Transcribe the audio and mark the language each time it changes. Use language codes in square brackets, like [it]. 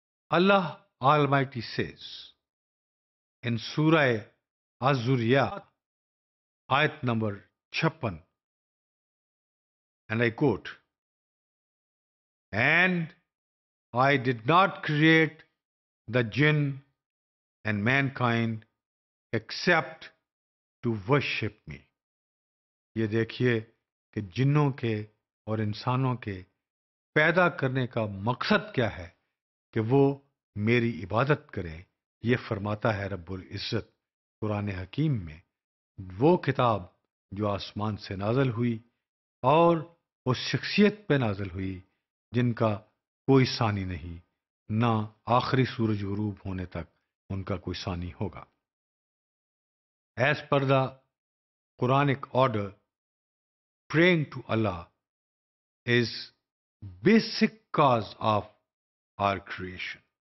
[en] Allah Almighty says in Surah Az-Zuriyat, ayat number 56, and I quote, "And I did not create the jinn and mankind except to worship me." [ur] یہ دیکھیے کہ جنوں کے اور انسانوں کے پیدا کرنے کا مقصد کیا ہے, کہ وہ میری عبادت کریں. یہ فرماتا ہے رب العزت قرآن حکیم میں, وہ کتاب جو آسمان سے نازل ہوئی اور وہ شخصیت پہ نازل ہوئی جن کا کوئی ثانی نہیں, نہ آخری سورج غروب ہونے تک ان کا کوئی ثانی ہوگا. [en] As per the Quranic order, praying to اللہ is basic cause of our creation.